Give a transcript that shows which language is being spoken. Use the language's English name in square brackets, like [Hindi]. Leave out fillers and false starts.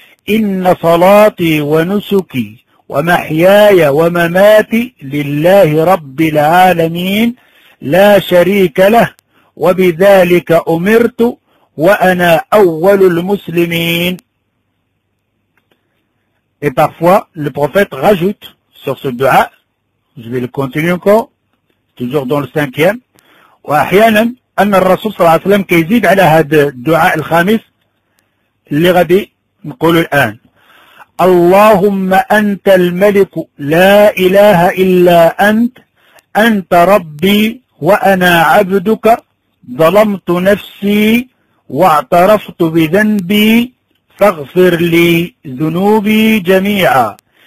[Arabic] إن صلاتي ونسكي ومحياي ومماتي لله رب العالمين لا شريك له وبذلك أمرت وأنا أول المسلمين. [French] Et parfois, le prophète rajoute sur ce dua. Je vais le continuer encore, toujours dans le cinquième. [Arabic] واحيانا ان الرسول صلى الله عليه وسلم كيزيد على هذا الدعاء الخامس اللي غادي نقول الان. اللهم انت الملك لا اله الا انت. انت ربي وانا عبدك. ظلمت نفسي واعترفت بذنبي فاغفر لي ذنوبي جميعا.